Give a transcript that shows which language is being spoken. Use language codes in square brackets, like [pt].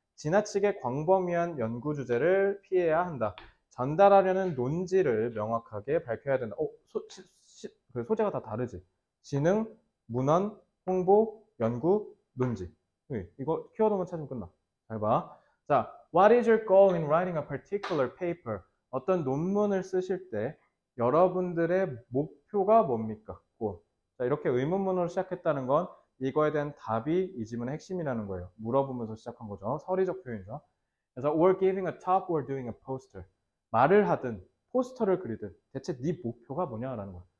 [ko] 지나치게 광범위한 연구 주제를 피해야 한다. 전달하려는 논지를 명확하게 밝혀야 된다. 그 소재가 다 다르지? 지능, 문헌, 홍보, 연구, 논지. 이거 키워드만 찾으면 끝나. 잘 봐. 자, [en] What is your goal in writing a particular paper? [ko] 어떤 논문을 쓰실 때 여러분들의 목표가 뭡니까? 고. 자, 이렇게 의문문으로 시작했다는 건 이거에 대한 답이 이 질문의 핵심이라는 거예요. 물어보면서 시작한 거죠. 서리적 표현이죠. 그래서 [en] or giving a talk or doing a poster. [ko] 말을 하든 포스터를 그리든 대체 네 목표가 뭐냐라는 거예요.